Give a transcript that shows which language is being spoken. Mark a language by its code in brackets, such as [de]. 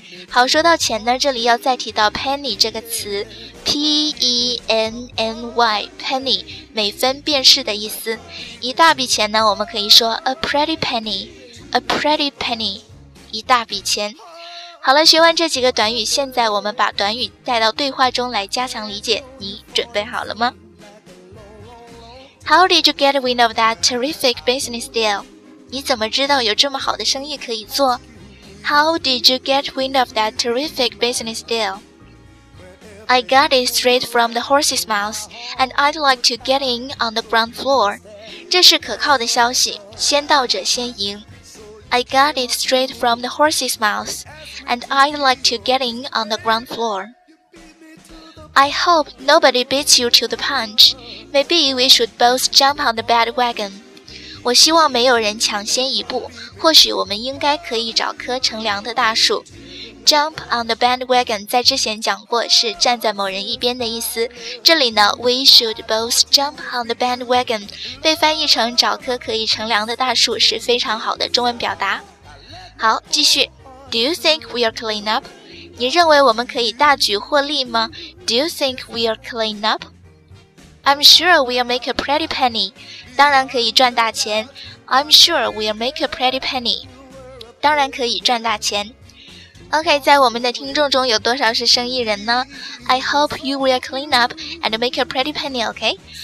[zh] 好，说到钱呢，这里要再提到 penny 这个词， P-E-N-N-Y， penny， 每分便士的意思。一大笔钱呢，我们可以说 [en] a pretty penny， a pretty penny， [zh] 一大笔钱。好了，学完这几个短语，现在我们把短语带到对话中来加强理解，你准备好了吗？ [en] How did you get wind of that terrific business deal？ [zh] 你怎么知道有这么好的生意可以做？ [en] How did you get wind of that terrific business deal? I got it straight from the horse's mouth, and I'd like to get in on the ground floor. [zh] 这是可靠的消息，先到者先赢。 [en] I got it straight from the horse's mouth, and I'd like to get in on the ground floor. I hope nobody beats you to the punch. Maybe we should both jump on the bandwagon. [zh] 我希望没有人抢先一步，或许我们应该可以找棵乘凉的大树。 [en] Jump on the bandwagon [zh] 在之前讲过是站在某人一边的意思，这里呢 [en] We should both jump on the bandwagon [zh] 被翻译成找棵可以乘凉的大树是非常好的中文表达。好，继续。 [en] Do you think we are clean up? [zh] 你认为我们可以大举获利吗？ [en] Do you think we are clean up? I'm sure we'll make a pretty penny. [zh] 当然可以赚大钱。 [en] I'm sure we'll make a pretty penny. [zh] 当然可以赚大钱。 OK, 在我们的听众中有多少是生意人呢？ [en] I hope you will clean up and make a pretty penny, OK?